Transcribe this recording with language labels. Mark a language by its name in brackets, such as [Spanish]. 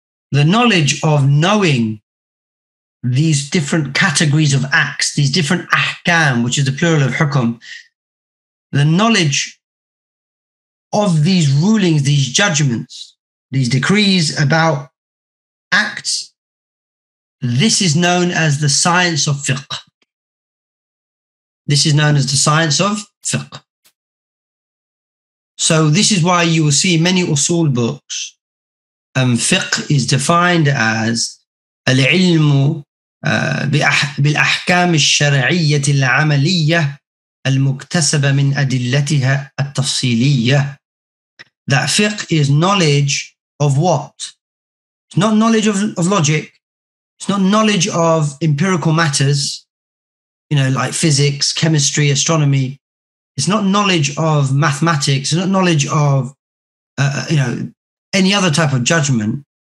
[English] The knowledge of knowing these different categories of acts, these different ahkam, which is the plural of hukum, the knowledge of these rulings, these judgments, these decrees about acts, this is known as the science of fiqh. This is known as the science of fiqh. So this is why you will see many usul books. Fiqh is defined as [Arabic] العلم بالأحكام الشرعية العملية المكتسبة من أدلتها التفصيلية. [English] That fiqh is knowledge of what? It's not knowledge of logic. It's not knowledge of empirical matters, you know, like physics, chemistry, astronomy. It's not knowledge of mathematics. It's not knowledge of, you know, any other type of judgment.